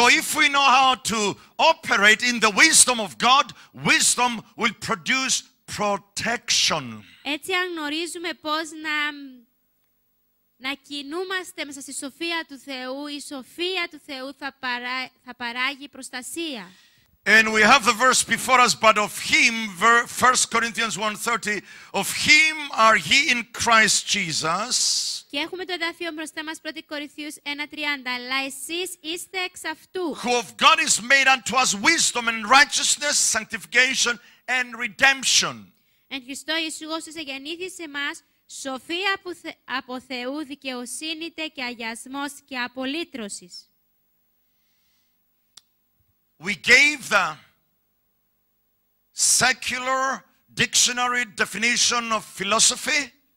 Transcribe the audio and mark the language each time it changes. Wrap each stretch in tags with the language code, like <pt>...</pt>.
<en>So if we know how to operate in the wisdom of God, wisdom will produce protection.</en> <el>Έτσι αν γνωρίζουμε πώς να κινούμαστε μέσα στη σοφία του Θεού, η σοφία του Θεού θα παράγει προστασία.</el> <en>And we have the verse before us, but of him, 1 Corinthians 1:30, of him are ye in Christ Jesus.</en> <el>Και έχουμε το εδάφιο μπροστά μας, 1 Κορινθίους 1:30, αλλά εσείς είστε εξ αυτού.</el> <en>Who of God is made unto us wisdom and righteousness, sanctification and redemption.</en> <el>Εν Χριστώ Ιησού, όσους εγεννήθη σε μας, σοφία από Θεού, δικαιοσύνη και αγιασμός και απολύτρωσης.</el> <en>We gave the secular dictionary definition of philosophy.</en>